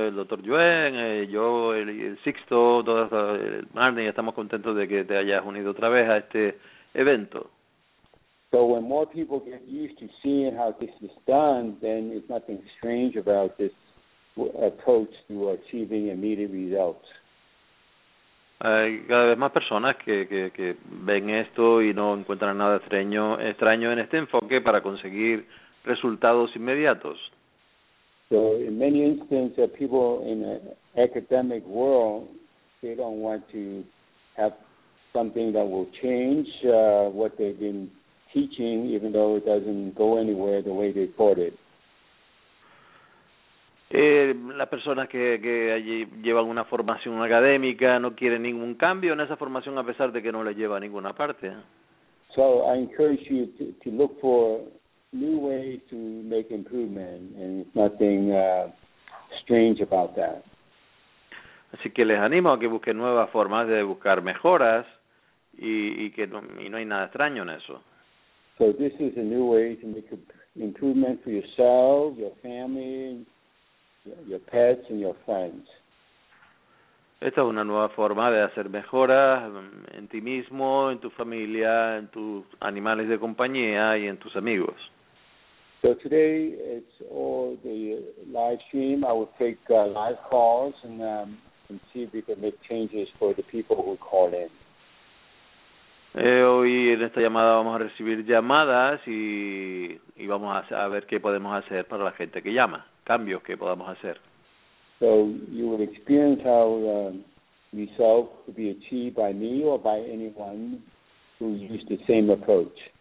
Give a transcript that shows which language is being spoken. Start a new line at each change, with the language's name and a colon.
Spanish: El doctor Yuen, yo, el Sixto, todos, el Marnie, estamos contentos de que te hayas unido otra vez a este evento.
English: So when more people get used to seeing how this is done, then there's nothing strange about this approach to achieving immediate results.
Spanish: Hay cada vez más personas que ven esto y no encuentran nada extraño en este enfoque para conseguir resultados inmediatos.
English: So in many instances, people in the academic world, they don't want to have something that will change what they've been teaching, even though it doesn't go anywhere the way they thought it.
Spanish: Las personas que allí llevan una formación académica no quieren ningún cambio en esa formación a pesar de que no les lleva a ninguna parte.
English: So I encourage you to look for new ways to make improvement, and nothing strange about that.
Spanish: Así que les animo a que busquen nuevas formas de buscar mejoras y no hay nada extraño en eso.
English: So this is a new way to make improvement for yourself, your family, your pets and your friends.
Spanish: Esta es una nueva forma de hacer mejoras en ti mismo, en tu familia, en tus animales de compañía y en tus amigos.
English: So today it's all the live stream. I will take live calls and see if we can make changes for the people who call in.
Spanish: Hoy en esta llamada vamos a recibir llamadas y vamos a ver qué podemos hacer para la gente que llama. Cambios que podamos hacer.
English: So you will experience how results could be achieved by me or by anyone who used the same approach.